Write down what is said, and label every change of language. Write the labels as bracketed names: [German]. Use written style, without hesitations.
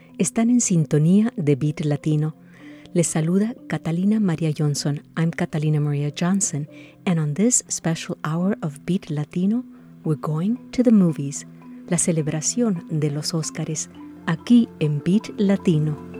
[Spanish] Están en sintonía de Beat Latino. Les saluda Catalina Maria Johnson. [English] I'm Catalina Maria Johnson. And on this special hour of Beat Latino, we're going to the movies. [Spanish] La celebración de los Óscares, aquí en Beat Latino.